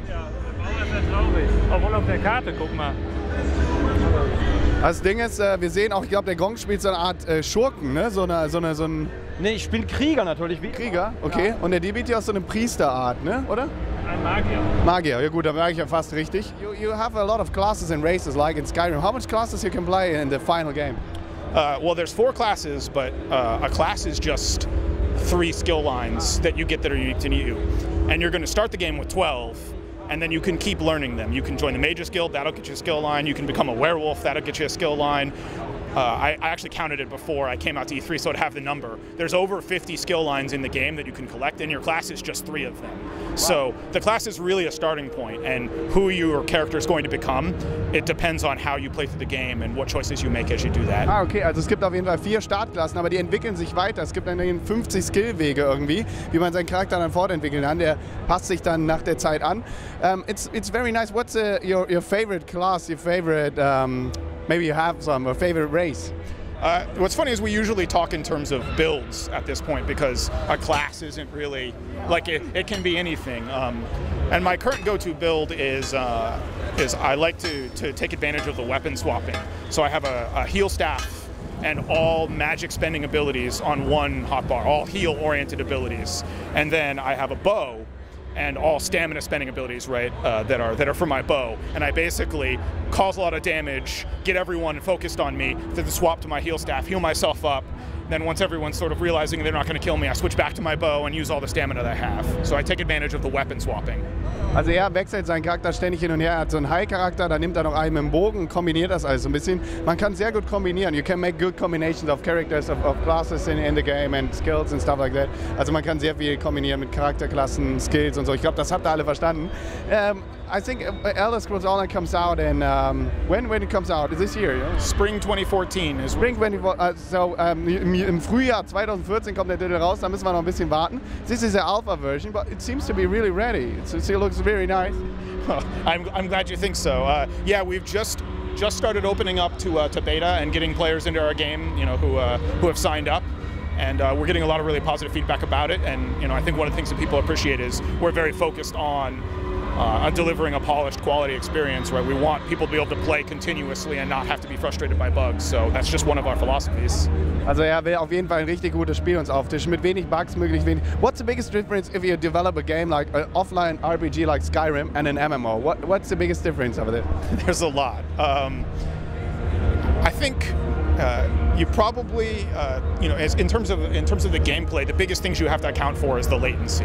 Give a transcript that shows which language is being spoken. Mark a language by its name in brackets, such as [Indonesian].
[German] Ja, der Bauer ist ja traurig. Obwohl auf der Karte, guck mal. Das Ding ist, wir sehen auch, ich glaube, der Gronkh spielt so eine Art Schurken, ne? Ne, ich bin Krieger natürlich. Wie Krieger, okay. Ja. Und der Debitor ist so eine Priesterart, ne? Oder? Ein Magier. Magier, ja gut, da merke ich ja fast richtig. [English] You have a lot of classes and races, like in Skyrim. How much classes you can play in the final game? Well, there's four classes, but a class is just three skill lines that you get that are unique to you. And you're going to start the game with 12. And then you can keep learning them. You can join the Mage's Guild, that'll get you a skill line. You can become a werewolf, that'll get you a skill line. I actually counted it before I came out to E3, so I'd have the number. There's over 50 skill lines in the game that you can collect, and your class is just three of them. Wow. So the class is really a starting point, and who your character is going to become, it depends on how you play through the game and what choices you make as you do that. [German] Ah, okay, also es gibt auf jeden Fall vier Startklassen, aber die entwickeln sich weiter. Es gibt dann 50 Skillwege irgendwie, wie man seinen Charakter dann fortentwickeln kann. Der passt sich dann nach der Zeit an. [English] It's very nice. What's your favorite class, your favorite... maybe you have some, a favorite race. What's funny is we usually talk in terms of builds at this point, because a class isn't really, like, it can be anything. And my current go-to build is I like to take advantage of the weapon swapping. So I have a heal staff and all magic spending abilities on one hotbar, all heal-oriented abilities. And then I have a bow and all stamina spending abilities, right, that are for my bow. And I basically cause a lot of damage, get everyone focused on me, then swap to my heal staff, heal myself up, then once everyone's sort of realizing they're not going to kill me, I switch back to my bow and use all the stamina that I have. So I take advantage of the weapon swapping. [German] Also er wechselt seinen Charakter ständig hin und her. Er hat so einen High-Charakter, dann nimmt er noch einen mit dem Bogen, kombiniert das alles so ein bisschen. Man kann sehr gut kombinieren. [English] You can make good combinations of characters, of classes in the game and skills and stuff like that. [German] Also man kann sehr viel kombinieren mit Charakterklassen, Skills und so. Ich glaube, das habt ihr alle verstanden. [English] I think Elder Scrolls Online comes out and when it comes out? This year? Yeah? Spring 2014. [German] Im Frühjahr 2014 kommt der Titel raus, da müssen wir noch ein bisschen warten. [English] This is the alpha version, but it seems to be really ready. It looks very nice. Well, I'm glad you think so. Yeah, we've just started opening up to beta and getting players into our game, you know, who have signed up. And we're getting a lot of really positive feedback about it. And you know, I think one of the things that people appreciate is we're very focused on delivering a polished quality experience, right? We want people to be able to play continuously and not have to be frustrated by bugs. So that's just one of our philosophies. [German] Also er will auf jeden Fall ein richtig gutes Spiel uns auftischen, mit wenig Bugs, möglichst wenig. [English] What's the biggest difference if you develop a game like an offline RPG like Skyrim and an MMO? What's the biggest difference over there? There's a lot. I think you probably, you know, in terms of the gameplay, the biggest things you have to account for is the latency.